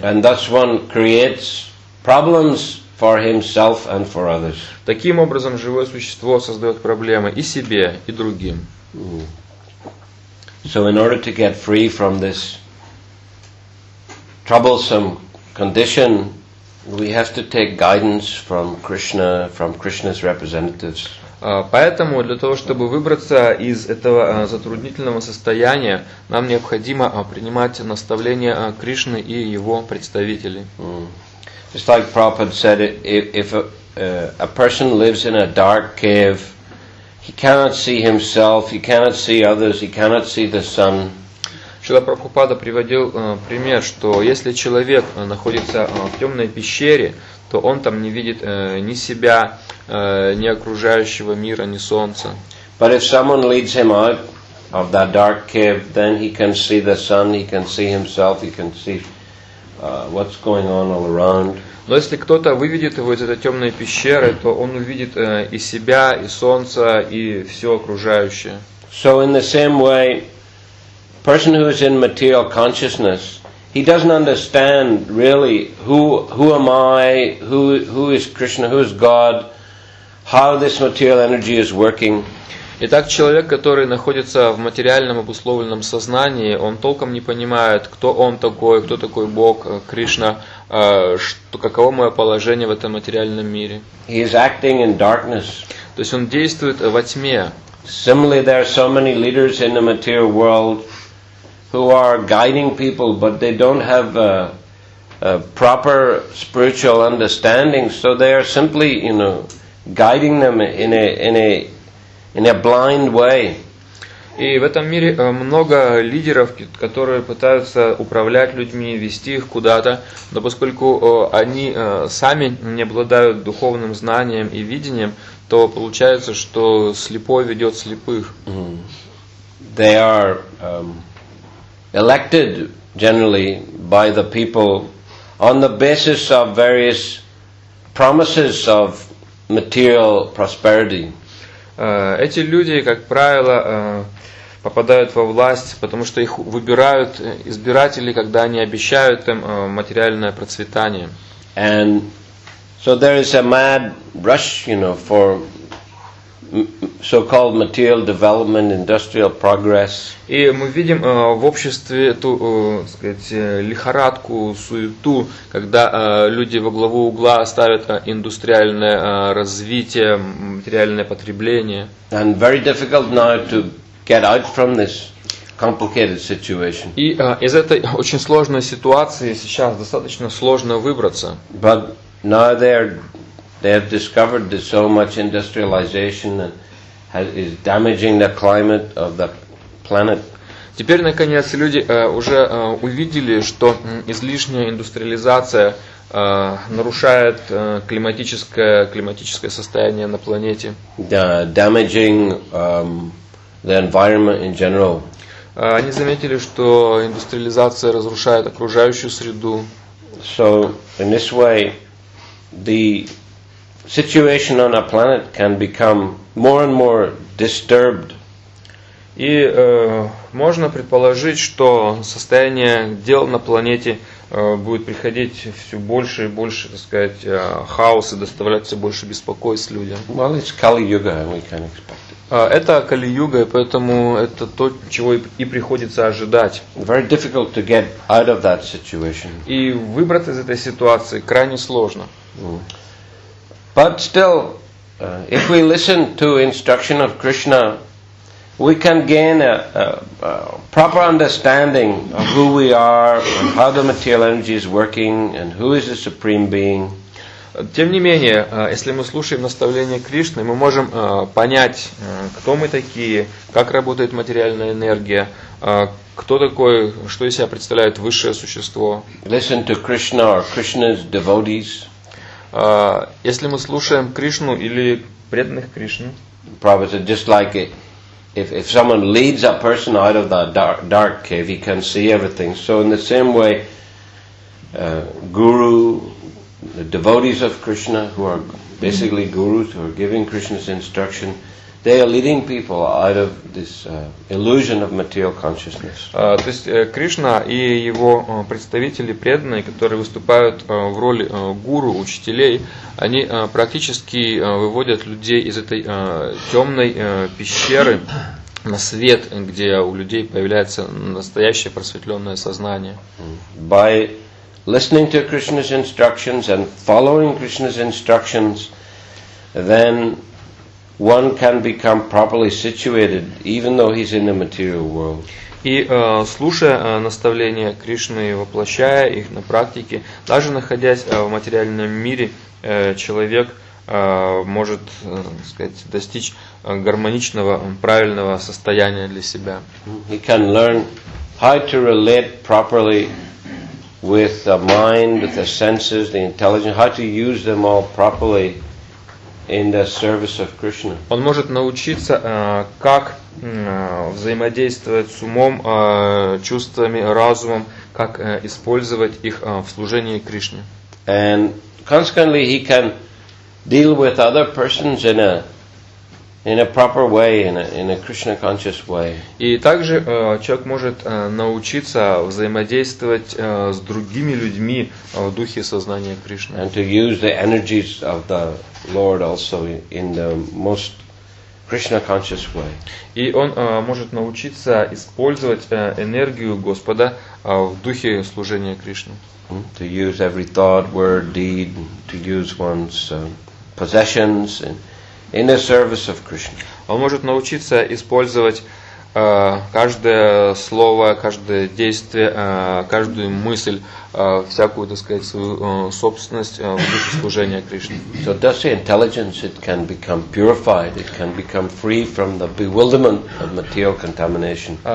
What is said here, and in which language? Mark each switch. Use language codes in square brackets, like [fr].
[en] And thus one creates problems for himself and for others. [ru] Таким образом, живое существо создает проблемы и себе, и другим. [en] So in order to get free from this troublesome condition, we have to take guidance from Krishna, from Krishna's representatives. [ru] Поэтому для того, чтобы выбраться из этого затруднительного состояния, нам необходимо принимать наставления Кришны и его представителей. [en] Just like Prabhupada said, if a person lives in a dark cave, he cannot see himself, he cannot see others, he cannot see the sun. [ru] Шрила Прабхупада приводил пример, что если человек находится в темной пещере, то он там не видит ни себя, ни окружающего мира, ни солнца. [en] But if someone leads him out of that dark cave, then he can see the sun, he can see himself, he can see what's going on all around. [ru] Но если кто-то выведет его из этой темной пещеры, то он увидит и себя, и солнце, и все окружающее. [en] So in the same way, person who is in material consciousness, he doesn't understand really who am I, who is Krishna, who is God, how this material energy is working. [ru] Итак, человек, который находится в материальном обусловленном сознании, он толком не понимает, кто он такой, кто такой Бог, Кришна, каково мое положение в этом материальном мире. [en] He is acting in darkness. [ru] То есть он действует во тьме. [en] Similarly, there are so many leaders in the material world who are guiding people, but they don't have a proper spiritual understanding, so they are simply, you know, guiding them in a blind way. [ru] И в этом мире много лидеров, которые пытаются управлять людьми, вести их куда-то, но поскольку они сами не обладают духовным знанием и видением, то получается, что слепой ведет слепых. [en] They are elected generally by the people on the basis of various promises of material prosperity. [ru] Эти люди, как правило, попадают во власть, потому что их выбирают избиратели, когда они обещают им материальное процветание. [en] And so there is a mad rush, you know, for so-called material development, industrial progress. [ru] И мы видим в обществе эту, так сказать, лихорадку, суету, когда люди во главу угла ставят индустриальное развитие, материальное потребление. [en] And very difficult now to get out from this complicated situation. [ru] И из этой очень сложной ситуации сейчас достаточно сложно выбраться. [en] But now they have discovered that so much industrialization is damaging the climate of the planet. [ru] Теперь наконец люди уже увидели, что излишняя индустриализация нарушает климатическое состояние на планете. [en] Damaging the environment in general. [ru] Они заметили, что индустриализация разрушает окружающую среду. [en] So in this way, the situation on a planet can become more and more disturbed. [ru] И можно предположить, что состояние дел на планете будет приходить все больше и больше, так сказать, хаос и доставлять все больше беспокойств людям. [en] Well, it's Kali-Yuga, and we can expect it. [ru] Это Кали-Юга, поэтому это то, чего и приходится ожидать. [en] Very difficult to get out of that situation. [ru] И выбраться из этой ситуации крайне сложно. [en] But still, if we listen to instruction of Krishna, we can gain a proper understanding of who we are, and how the material energy is working, and who is the Supreme Being. [ru] Тем не менее, если мы слушаем наставления Кришны, мы можем понять, кто мы такие, как работает материальная энергия, кто такой, что из себя представляет высшее существо. [en] Listen to Krishna or Krishna's devotees. [ru] Если мы слушаем Кришну или преданных Кришны. [en] Prabhupada said, just like it, if someone leads a person out of that dark cave, he can see everything. So in the same way, guru, the devotees of Krishna, who are basically gurus, who are giving Krishna's instruction, they are leading people out of this illusion of material consciousness. [ru] То есть Кришна и его представители преданные, которые выступают в роли гуру, учителей, они практически выводят людей из этой темной пещеры на свет, где у людей появляется настоящее просветленное сознание. [en] By listening to Krishna's instructions and following Krishna's instructions, then one can become properly situated, even though he's in the material world. [ru] И слушая наставления Кришны и воплощая их на практике, даже находясь в материальном мире, человек может, сказать, достичь гармоничного, правильного состояния для себя. [en] He can learn how to relate properly with the mind, with the senses, the intelligence, how to use them all properly in the service of Krishna. [ru] Он может научиться, как взаимодействовать с умом, чувствами, разумом, как использовать их в служении Кришне. [en] And consequently, he can deal with other persons in a proper way, in a Krishna conscious way. [ru] И также человек может научиться взаимодействовать с другими людьми в духе сознания Кришны. [en] And to use the energies of the Lord also in the most Krishna conscious way. [ru] И он может научиться использовать энергию Господа в духе служения Кришне. [en] To use every thought, word, deed, to use one's possessions in the service of Krishna. [ru] Он может научиться использовать каждое слово, каждое действие, каждую мысль, всякую, так сказать, свою собственность в духе служения Кришне. [en] So thus the intelligence, it can become purified, it can become free from the bewilderment of material contamination.